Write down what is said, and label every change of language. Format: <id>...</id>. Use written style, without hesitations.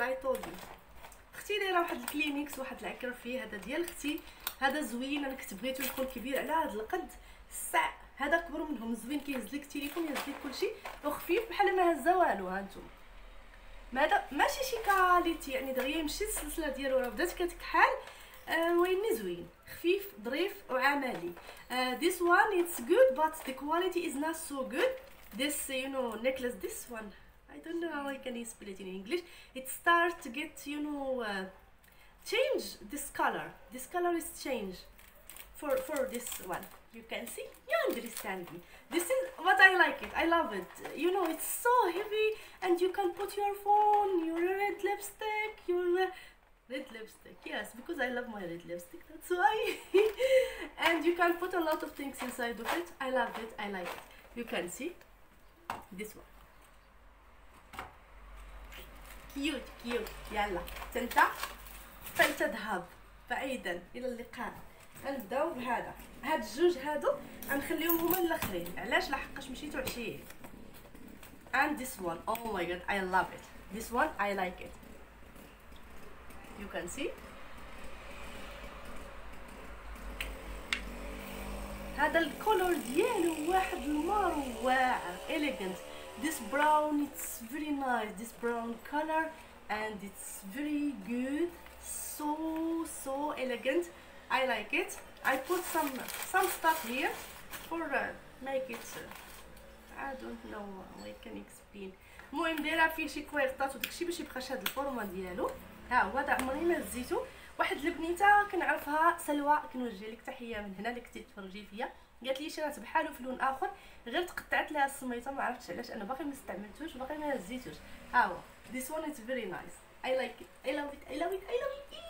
<en>I told you</en> <ar>اختي دايره واحد الكلينيكس واحد العكر فيه، هذا ديال اختي. هذا زوين، انا كنت بغيتو يكون كبير على هذا القد. هذا كبر منهم زوين، كيهز لك التليفون يهز لك كلشي وخفيف بحال ما هزا والو. ها نتوما هذا ماشي شي كاليتي يعني دغيا يمشي السلسله ديالو، راه بدات كتكحل. ويني زوين خفيف ظريف وعملي.</ar> <en>This one it's good but the quality is not so good. This you know necklace this one I don't know how I can spell it in English. It starts to get you know change this color. This color is change for this one. You can see, you understand me. This is what I like it. I love it. You know, it's so heavy, and you can put your phone, your red lipstick, your red lipstick. Yes, because I love my red lipstick. That's why. And you can put a lot of things inside of it. I love it. I like it. You can see this one. Cute, cute.</en> <ar>Yalla, tenta, felta dhab, baeden ila liqa. نبداو بهذا. هاد الجوج هادو غنخليهم هما الاخرين، علاش؟ لحقاش مشيتو عشيه.</ar> <en>And this one oh my god I love it. This one I like it. You can see</en> <ar>هذا الكولور ديالو واحد المارو واعر elegant.</ar> <en>This brown it's very nice, this brown color and it's very good, so so elegant. I like it. I put some stuff here for make it I don't know how I can explain.</en> <ar>المهم دايره فيه شي كويرطات وداكشي باش يبقى شاد الفورما ديالو. ها هو تاع مريم الزيتو. واحد البنيته كنعرفها سلوى كنوجه لك تحيه من هنا اللي كنتي تفرجي فيا، قالت لي شريت بحالو في لون اخر غير تقطعت لها السميطه، ما عرفتش علاش انا باقي ما استعملتوش باقي ما هزيتوش. ها هو</ar> <en>this one is very nice. I like it. I love it. I love it. I love it.</en>